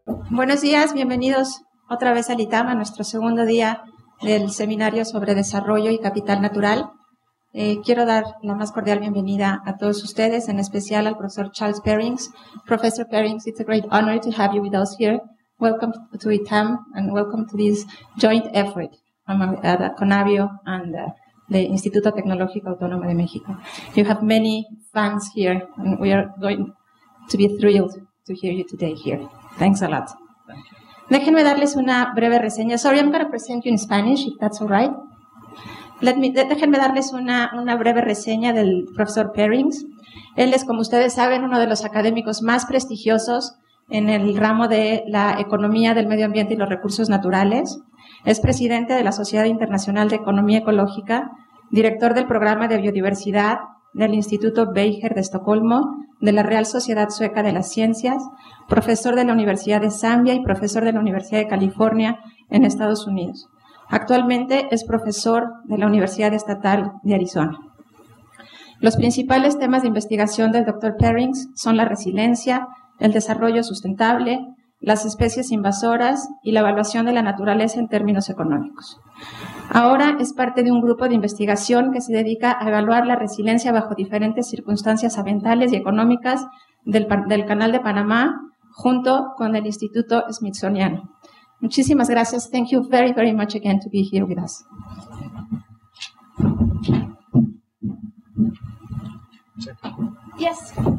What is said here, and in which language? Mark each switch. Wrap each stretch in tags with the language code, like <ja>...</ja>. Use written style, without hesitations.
<es>Buenos días, bienvenidos otra vez al ITAM, a nuestro segundo día del seminario sobre desarrollo y capital natural. Quiero dar la más cordial bienvenida a todos ustedes, en especial al profesor Charles Perrings.</es> <en>Professor Perrings, it's a great honor to have you with us here. Welcome to ITAM and welcome to this joint effort among Conavio and the Instituto Tecnológico Autónomo de México. You have many fans here and we are going to be thrilled to hear you today here. Thanks a lot.</en> <es>Déjenme darles una breve reseña.</es> <en>Sorry, I'm going to present you in Spanish, if that's all right.</en> <es>Déjenme darles una breve reseña del profesor Perrings. Él es, como ustedes saben, uno de los académicos más prestigiosos en el ramo de la economía del medio ambiente y los recursos naturales. Es presidente de la Sociedad Internacional de Economía Ecológica, director del Programa de Biodiversidad del Instituto Beijer de Estocolmo, de la Real Sociedad Sueca de las Ciencias, profesor de la Universidad de Zambia y profesor de la Universidad de California en Estados Unidos. Actualmente es profesor de la Universidad Estatal de Arizona. Los principales temas de investigación del Dr. Perrings son la resiliencia, el desarrollo sustentable, las especies invasoras y la evaluación de la naturaleza en términos económicos. Ahora es parte de un grupo de investigación que se dedica a evaluar la resiliencia bajo diferentes circunstancias ambientales y económicas del Canal de Panamá junto con el Instituto Smithsoniano. Muchísimas gracias.</es> <en>Thank you very, very much again to be here with us. Yes.</en>